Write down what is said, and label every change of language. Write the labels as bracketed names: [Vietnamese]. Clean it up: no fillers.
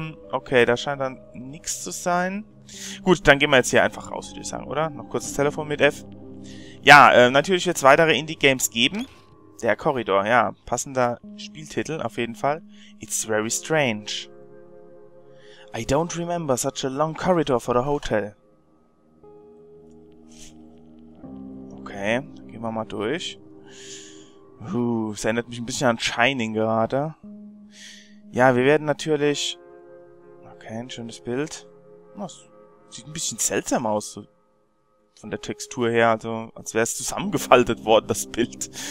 [German] Okay, da scheint dann nichts zu sein. Gut, dann gehen wir jetzt hier einfach raus, würde ich sagen, oder? Noch kurz das Telefon mit F. Ja, natürlich wird es weitere Indie-Games geben. Der Korridor, ja. Passender Spieltitel, auf jeden Fall. [English] It's very strange. I don't remember such a long corridor for the hotel. [German] Okay, gehen wir mal durch. Es erinnert mich ein bisschen an Shining gerade. Ja, wir werden natürlich... Okay, ein schönes Bild. Das sieht ein bisschen seltsam aus. So von der Textur her, also als wäre es zusammengefaltet worden, das Bild.